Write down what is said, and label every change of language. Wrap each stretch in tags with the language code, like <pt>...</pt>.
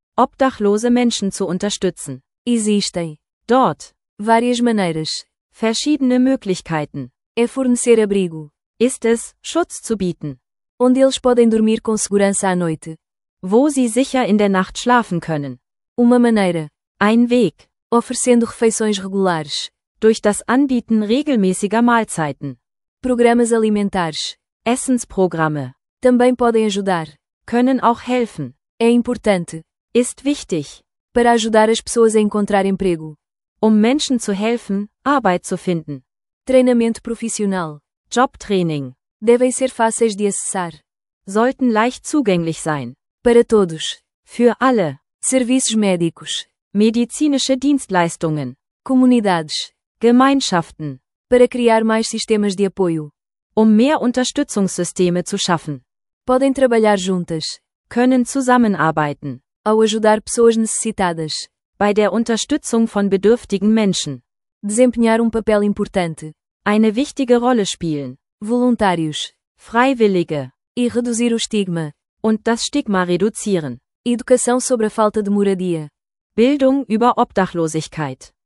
<de>Obdachlose Menschen zu unterstützen.</de> <pt>Existem.</pt> <de>Dort.</de> <pt>Várias maneiras.</pt> <de>Verschiedene Möglichkeiten.</de> <pt>É fornecer abrigo.</pt> <de>Ist es, Schutz zu bieten.</de> <pt>Onde eles podem dormir com segurança à noite.</pt> <de>Wo sie sicher in der Nacht schlafen können.</de> <pt>Uma maneira.</pt> <de>Ein Weg.</de> <pt>Oferecendo refeições regulares.</pt> <de>Durch das Anbieten regelmäßiger Mahlzeiten.</de> <pt>Programas alimentares.</pt> <de>Essensprogramme.</de> <pt>Também podem ajudar.</pt> <de>Können auch helfen.</de> <pt>É importante.</pt> <de>Ist wichtig.</de> <pt>Para ajudar as pessoas a encontrar emprego.</pt> <de>Menschen zu helfen, Arbeit zu finden.</de> <pt>Treinamento profissional.</pt> <de>Jobtraining.</de> <pt>Devem ser fáceis de acessar.</pt> <de>Sollten leicht zugänglich sein.</de> <pt>Para todos.</pt> <de>Für alle.</de> <pt>Serviços médicos.</pt> <de>Medizinische Dienstleistungen.</de> <pt>Comunidades.</pt> <de>Gemeinschaften.</de> <pt>Para criar mais sistemas de apoio.</pt> <de>Mehr Unterstützungssysteme zu schaffen.</de> <pt>Podem trabalhar juntas.</pt> <de>Können zusammenarbeiten.</de> <pt>Ao ajudar pessoas necessitadas.</pt> <de>Bei der Unterstützung von bedürftigen Menschen.</de> <pt>Desempenhar papel importante.</pt> <de>Eine wichtige Rolle spielen.</de> <pt>Voluntários.</pt> <de>Freiwillige.</de> <pt>E reduzir o estigma.</pt> <de>Und das Stigma reduzieren.</de> <pt>Educação sobre a falta de moradia.</pt> <de>Bildung über Obdachlosigkeit.</de>